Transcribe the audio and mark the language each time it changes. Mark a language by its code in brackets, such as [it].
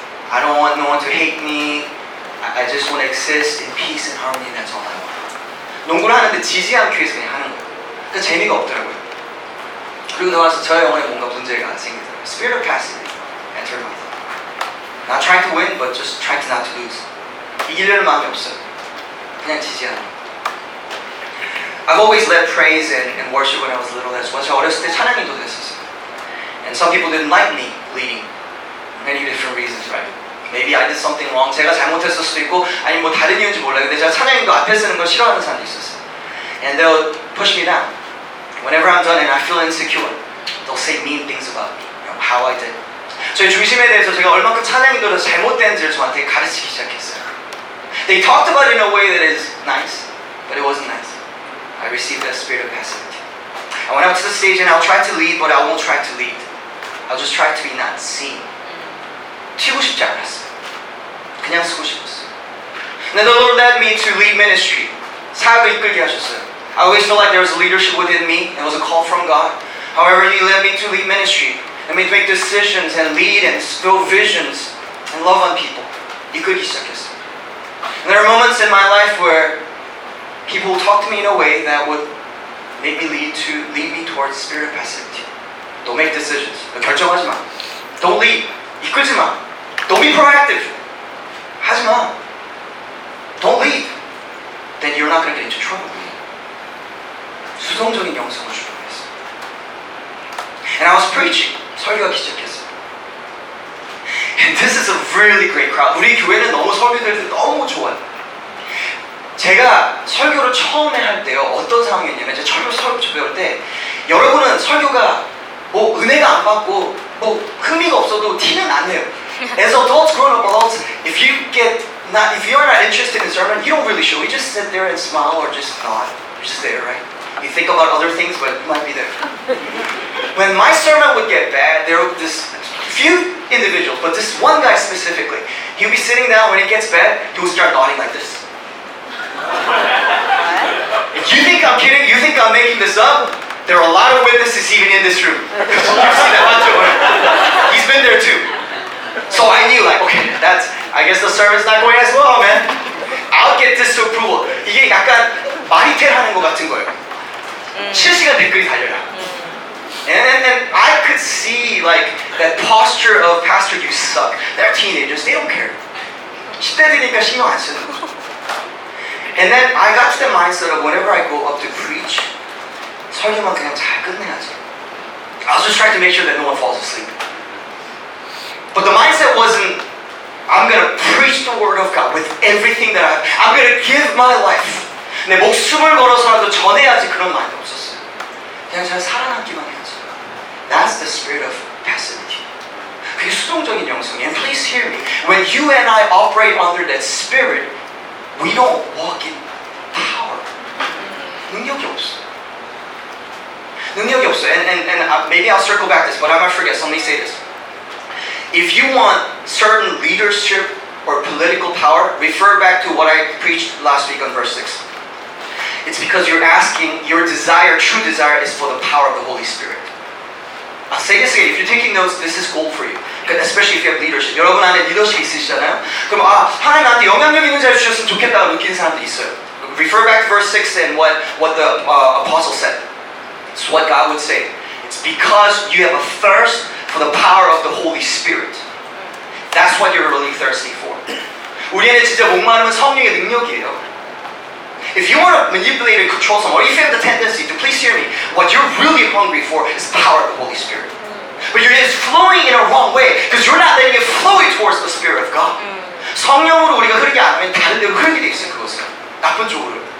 [en] I don't want no one to hate me. I just want to exist in peace and harmony. That's all I want. [ko] 농구를 하는데 지지 않기 위해서 그냥 하는 거예요. 그러니까 재미가 없더라고요. 그리고 나와서 저의 영혼에 뭔가 문제가 생기더라고요. [en] Spirit of passivity entered my thought. Not trying to win, but just trying to not to lose. [ko] 이기려는 마음이 없어요. 그냥 지지 않는 거예요. [en] I've always led praise and worship when I was little as well. [ko] 제가 어렸을 때 찬양인도 됐었어요. [en] And some people didn't like me leading. Many different reasons, right? Maybe I did something wrong. [ko] 제가 잘못했을 수도 있고, 아니 뭐 다른 이유인지 몰라요. 근데 제가 찬양인도 앞에 서는 거 싫어하는 사람도 있었어요. [en] And they'll push me down. Whenever I'm done and I feel insecure, they'll say mean things about me, how I did. [ko] 저의 중심에 대해서 제가 얼만큼 찬양인도를 잘못된지를 저한테 가르치기 시작했어요. [en] They talked about it in a way that is nice, but it wasn't nice. I received that spirit of passivity. I went up to the stage and I'll try to lead, but I won't try to lead. I'll just try to be not seen. [ko] 치고 싶지 않았어요. 그냥 쓰고 싶었어요. [en] Then the Lord led me to lead ministry. [ko] 사역을 이끌게 하셨어요. [en] I always felt like there was leadership within me. It was a call from God. However, He led me to lead ministry. Let me make decisions and lead and spill visions and love on people. [ko] 이끌기 시작했어요. [en] And there are moments in my life where people will talk to me in a way that would make me lead me towards spirit passivity. Don't make decisions. [ko] 결정하지 마. [en] Don't lead. [ko] 이끌지 마. [en] Don't be proactive. [ko] 하지 마. [en] Don't lead. Then you're not going to get into trouble. [ko] 수동적인 영성을 주관했어. [en] And I was preaching. [ko] 설교하기 시작했어. [en] And this is a really great crowd. [ko] 우리 교회는 너무 설교들이 너무 좋아요. 제가 설교를 처음에 할 때요, 어떤 상황이었냐면, 제가 설교 배울 때, 여러분은 설교가 뭐 은혜가 안 받고, 뭐 흥미가 없어도 티는 안 내요. [en] As adults, grown up adults, if you are not interested in sermon, you don't really show. You just sit there and smile or just nod. You're just there, right? You think about other things, but you might be there. When my sermon would get bad, there would be this few individuals, but this one guy specifically, he'd be sitting down, when it gets bad, he would start nodding like this. You think I'm kidding? You think I'm making this up? There are a lot of witnesses even in this room. You see that, right? He's been there too. So I knew, like, okay, I guess the sermon's not going as well, man. I'll get disapproval. [ko] 이게 약간 마리텔 하는 것 같은 거예요. 실시간 댓글이 달려요. [en] And I could see, like, that posture of pastor, you suck. They're teenagers. They don't care. [ko] 10대들이니까 신경 안 쓰는 거죠. [en] And then I got to the mindset of whenever I go up to preach, [ko] 설교만 그냥 잘 끝내야지. [en] I was just trying to make sure that no one falls asleep. But the mindset wasn't, I'm going to preach the word of God with everything that I have. I'm going to give my life. [ko] 내 목숨을 걸어서라도 전해야지 그런 마인드 없었어요. 그냥 잘 살아남기만 해야지. [en] That's the spirit of passivity. [ko] 그게 수동적인 영성이에요. [en] And please hear me. When you and I operate under that spirit, we don't walk in power. [ko] 능력이 없어. 능력이 없어. [en] Maybe I'll circle back this, but I might forget, so let me say this. If you want certain leadership or political power, refer back to what I preached last week on verse 6. It's because you're asking, your desire, true desire, is for the power of the Holy Spirit. I'll say this again, if you're taking notes, this is gold for you. Especially if you have leadership. [ko] 여러분 안에 리더십 있으시잖아요? 그럼 아, 하나님 나한테 영향력 있는 자를 주셨으면 좋겠다고 느끼는 사람도 있어요. [en] Refer back to verse 6 and what the apostle said. It's what God would say. It's because you have a thirst for the power of the Holy Spirit. That's what you're really thirsty for. [ko] 우리 안에 진짜 목마름은 성령의 능력이에요. [en] If you want to manipulate and control someone, or if you have the tendency to, please hear me, what you're really hungry for is the power of the Holy Spirit. But you're just flowing in a wrong way because you're not letting it flow towards the Spirit of God. [ko] 성령으로 우리가 흐르게 안 하면 다른 데로 흐르게 돼 있어요, 그것은. 나쁜 쪽으로.